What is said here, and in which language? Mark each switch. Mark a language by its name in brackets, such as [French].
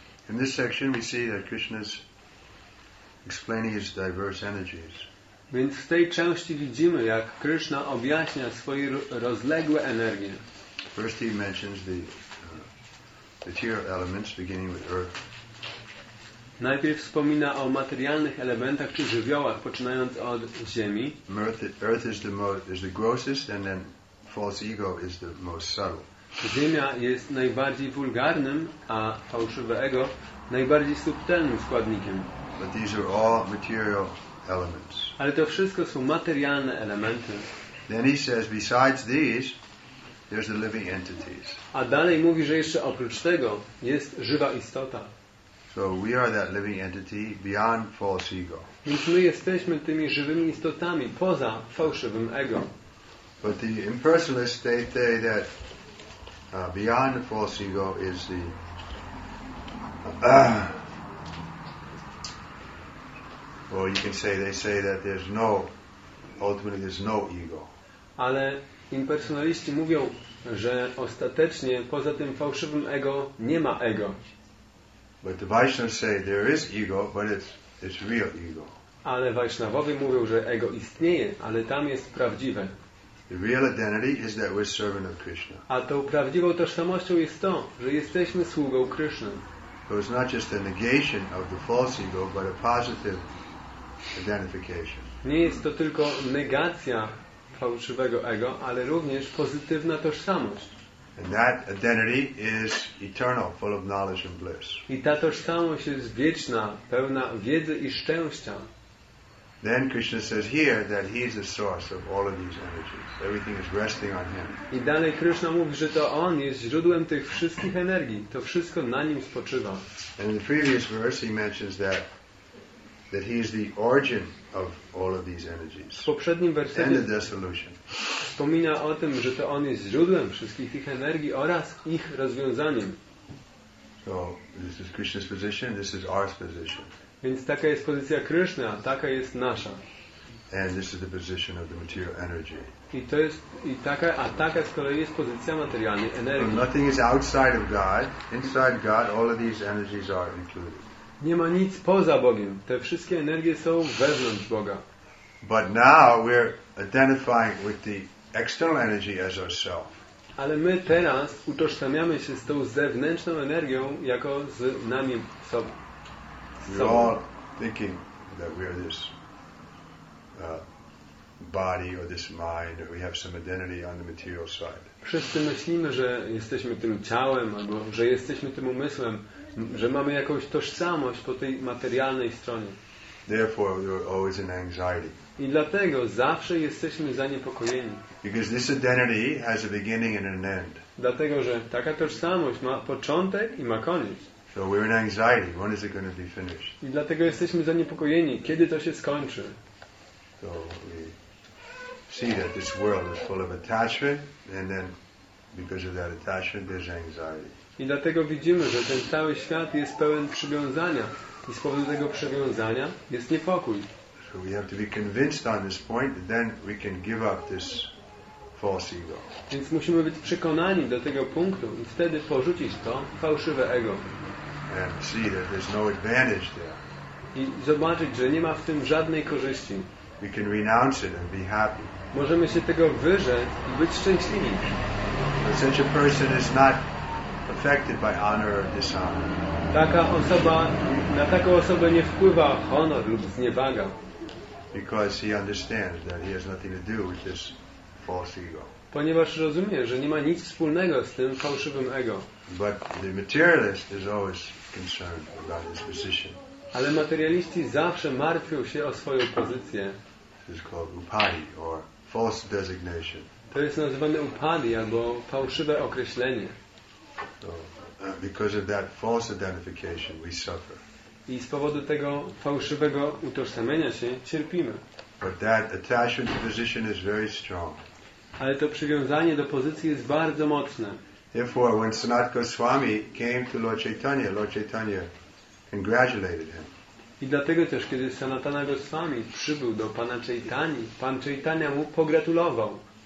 [English] In this section we see that Krishna is explaining his diverse energies. [Polish] Więc w tej części widzimy, jak Krishna objaśnia swoje rozległe energie. [English] First he mentions the material elements, beginning with earth. [Polish] Najpierw wspomina o materialnych elementach czy żywiołach, poczynając od ziemi. [English] Earth is the grossest, and then false ego is the most subtle. [Polish] Ziemia jest najbardziej wulgarnym, a fałszywe ego najbardziej subtelnym składnikiem. [English] But these are all material elements. [Polish] Ale to wszystko są materialne elementy. [English] Then he says, besides these, there's the living entities. [Polish] A dalej mówi, że jeszcze oprócz tego jest żywa istota. [English] So we are that living entity beyond false ego. [Polish] Więc my jesteśmy tymi żywymi istotami poza fałszywym ego. [English] But the impersonalists say that beyond the false ego is the well, you can say, they say that there's no, ultimately there's no ego. [Polish] Ale impersonaliści mówią, że ostatecznie poza tym fałszywym ego nie ma ego. [English] But the Vaishnavas say there is ego, but it's real ego. [Polish] Ale Vaishnavowie mówią, że ego istnieje, ale tam jest prawdziwe. [English] The real identity is that we're servant of Krishna. [Polish] A tą prawdziwą tożsamością jest to, że jesteśmy sługą Krishna. [English] So it's not just a negation of the false ego, but a positive identification. [Polish] Nie jest to tylko negacja fałszywego ego, ale również pozytywna tożsamość. [English] And that identity is eternal, full of knowledge and bliss. [Polish] I ta tożsamość jest wieczna, pełna wiedzy i szczęścia. [English] Then Krishna says here that he is the source of all of these energies. Everything is resting on him. [Polish] I dalej Krishna mówi, że to on jest źródłem tych wszystkich energii. To wszystko na nim spoczywa. [English] And in the previous verse he mentions that he is the origin of all of these energies. [Polish] W poprzednim wersecie [English] and the dissolution. [Polish] Wspomina o tym, że to on jest źródłem wszystkich tych energii oraz ich rozwiązaniem. [English] So this is Krishna's position, this is our position. [Polish] Więc taka jest pozycja Krishna, taka jest nasza. [English] And this is the position of the material energy. [Polish] I taka z kolei jest pozycja materialnej energii. [English] So nothing is outside of God. Inside God, all of these energies are included. [Polish] Nie ma nic poza Bogiem. Te wszystkie energie są wewnątrz Boga. [English] But now we're identifying with the external energy as ourself. [Polish] Ale my teraz utożsamiamy się z tą zewnętrzną energią jako z nami sobą. [English] We're all thinking that we are this body or this mind, or we have some identity on the material side. [Polish] Wszyscy myślimy, że jesteśmy tym ciałem, albo że jesteśmy tym umysłem, że mamy jakąś tożsamość po tej materialnej stronie. [English] Therefore, we're always in anxiety. [Polish] I dlatego zawsze jesteśmy zaniepokojeni. [English] Because this identity has a beginning and an end. [Polish] Dlatego, że taka tożsamość ma początek i ma koniec. [English] So we're in anxiety. When is it going to be finished? [Polish] I dlatego jesteśmy zaniepokojeni, kiedy to się skończy. [English] So we see that this world is full of attachment, and then because of that attachment, there's anxiety. [Polish] I dlatego widzimy, że ten cały świat jest pełen przywiązania, i z powodu tego przywiązania jest niepokój. [English] So we have to be convinced on this point, that then we can give up this false ego. [Polish] Więc musimy być przekonani do tego punktu i wtedy porzucić to fałszywe ego. [English] And see that there's no advantage there. [Polish] I zobaczyć, że nie ma w tym żadnej korzyści. [English] We can renounce it and be happy. [Polish] Możemy się tego wyrzec i być szczęśliwi. [English] But such a person is not affected by honor or dishonor. [Polish] Taka osoba, na taką osobę nie wpływa honor lub zniewaga. [English] Because he understands that he has nothing to do with this false ego. [Polish] Ponieważ rozumie, że nie ma nic wspólnego z tym fałszywym ego. [English] But the materialist is always concerned about his position. [Polish] Ale materialiści zawsze martwią się o swoją pozycję. [English] It's called upadi or false designation. [Polish] To jest nazywane upadi albo fałszywe określenie. [English] So, because of that false identification, we suffer. [Polish] I z powodu tego fałszywego utożsamienia się cierpimy. [English] But that attachment to position is very strong. [Polish] Ale to przywiązanie do pozycji jest bardzo mocne. [English] Therefore, when Sanat Goswami came to Lord Chaitanya congratulated him. [Polish] I dlatego też, kiedy Sanatana Goswami przybył do Pana Chaitani, Pan Chaitanya mu pogratulował.